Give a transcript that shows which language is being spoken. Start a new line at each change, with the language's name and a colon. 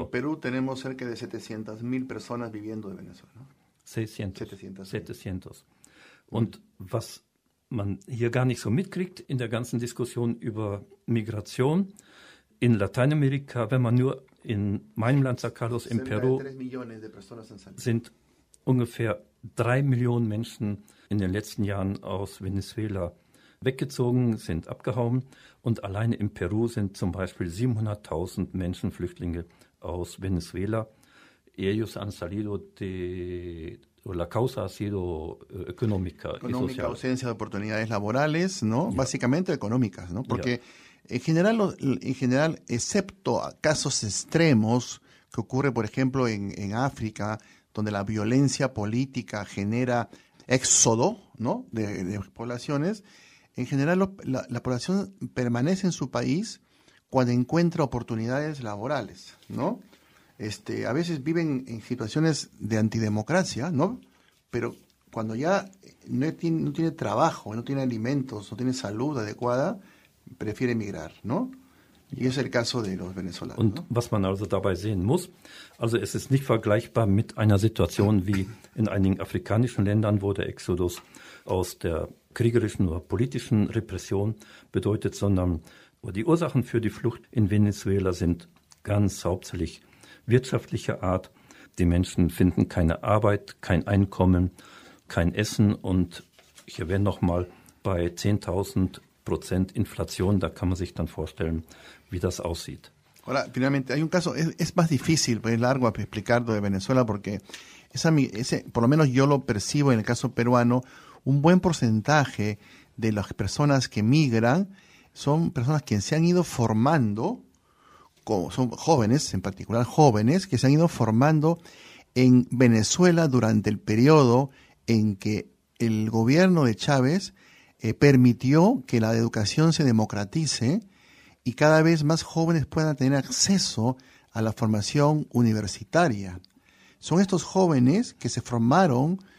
Spanish: En Perú tenemos cerca de 700.000 personas viviendo de Venezuela. ¿No? 700.
German: Und was man hier gar nicht so mitkriegt in der ganzen Diskussion über Migration in Lateinamerika, wenn man nur in meinem Land, San Carlos, in Peru, sind ungefähr 3 Millionen Menschen in den letzten Jahren aus Venezuela weggezogen, sind abgehauen. Und alleine in Peru sind zum Beispiel 700.000 Menschen Flüchtlinge aus Venezuela.
Spanish: Ellos han salido de... La causa ha sido económica. Económica, ausencia de oportunidades laborales, ¿no? Yeah. Básicamente económicas, ¿no? Porque yeah. en general, excepto casos extremos que ocurre, por ejemplo, en África, donde la violencia política genera éxodo, ¿no? De poblaciones, en general la población permanece en su país cuando encuentra oportunidades laborales, ¿no? A veces viven en situaciones de antidemocracia, ¿no? Pero cuando ya no tiene trabajo, no tiene alimentos, no tiene salud adecuada, prefiere emigrar, ¿no? Y es el caso de los venezolanos.
German: Und was man also dabei sehen muss, also es ist nicht vergleichbar mit einer Situation wie in einigen afrikanischen Ländern, wo der Exodus aus der kriegerischen oder politischen Repression bedeutet, sondern die Ursachen für die Flucht in Venezuela sind ganz hauptsächlich wirtschaftlicher Art. Die Menschen finden keine Arbeit, kein Einkommen, kein Essen. Und ich erwähne nochmal, bei 10.000% Inflation, da kann man sich dann vorstellen, wie das aussieht.
Spanish: Ahora, finalmente, hay un caso, es más difícil, es largo explicar lo de Venezuela, porque por lo menos yo lo percibo en el caso peruano, un buen porcentaje de las personas que migran son personas que se han ido formando. Son jóvenes, en particular jóvenes, que se han ido formando en Venezuela durante el periodo en que el gobierno de Chávez permitió que la educación se democratice y cada vez más jóvenes puedan tener acceso a la formación universitaria. Son estos jóvenes que se formaron